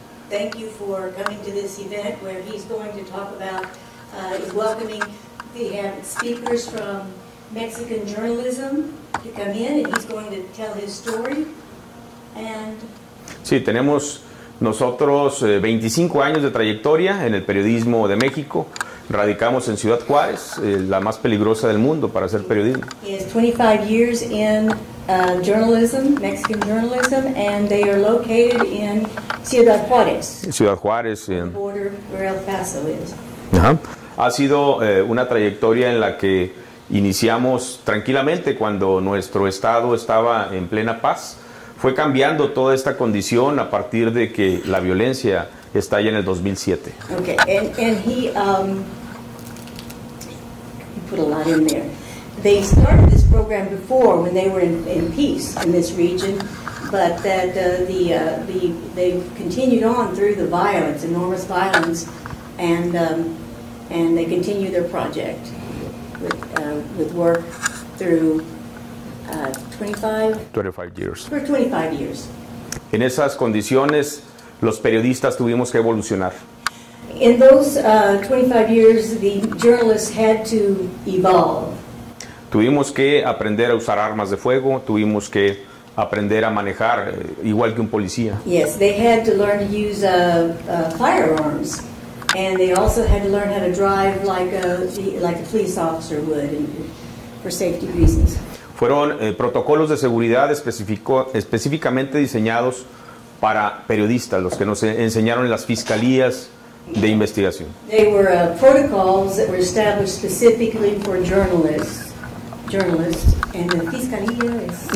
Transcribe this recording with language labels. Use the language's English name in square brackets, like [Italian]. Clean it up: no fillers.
[English] Thank you for coming to this event where he's going to talk about welcoming the speakers from Mexican journalism to come in, and he's going to tell his story. And [Spanish] sí, tenemos nosotros 25 años de trayectoria en el periodismo de México. Radicamos en Ciudad Juárez, la más peligrosa del mundo para hacer periodismo. [English] He has 25 years in journalism, Mexican journalism, and they are located in Ciudad Juárez. Ciudad Juárez. Yeah. The border where El Paso is. Uh-huh. [Spanish] Ha sido una trayectoria en la que iniciamos tranquilamente cuando nuestro estado estaba en plena paz. Fue cambiando toda esta condición a partir de que la violencia está ya en el 2007. [English] Okay, and he he put a lot in there. They started this program before when they were in peace in this region, but that they continued on through the violence, enormous violence, and they continue their project with work through 25 years. [Spanish] En esas condiciones, los periodistas tuvimos que evolucionar. [English] In those 25 years, the journalists had to evolve. [Spanish] Tuvimos que aprender a usar armas de fuego, tuvimos que aprender a manejar igual que un policía. [English] Yes, they had to learn to use firearms, and they also had to learn how to drive like a police officer would, for safety reasons. [Spanish] Fueron protocolos de seguridad específicamente diseñados para periodistas, los que nos enseñaron las fiscalías de investigación. [English] They were protocols that were established specifically for journalists and the fiscalías.